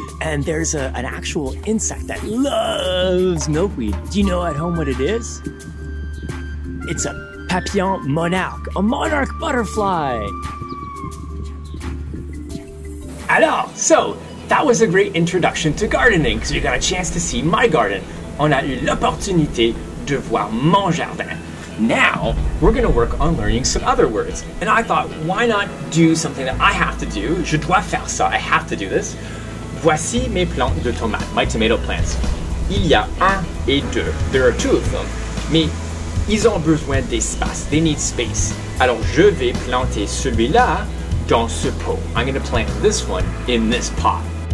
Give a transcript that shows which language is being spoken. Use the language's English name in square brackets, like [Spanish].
[English] And there's an actual insect that loves milkweed. Do you know at home what it is? It's a papillon monarch, a monarch butterfly. Alors, so, that was a great introduction to gardening, because you got a chance to see my garden. [French] On a eu l'opportunité de voir mon jardin. Now, we're gonna work on learning some other words. And I thought, why not do something that I have to do? Je dois faire ça, [English] I have to do this. [French] Voici mes plantes de tomates, [English] my tomato plants. [French] Il y a un et deux. [English] There are two of them. [French] Mais ils ont besoin d'espace, [English] they need space. [French] Alors, je vais planter celui-là dans ce pot. [English] I'm gonna plant this one in this pot.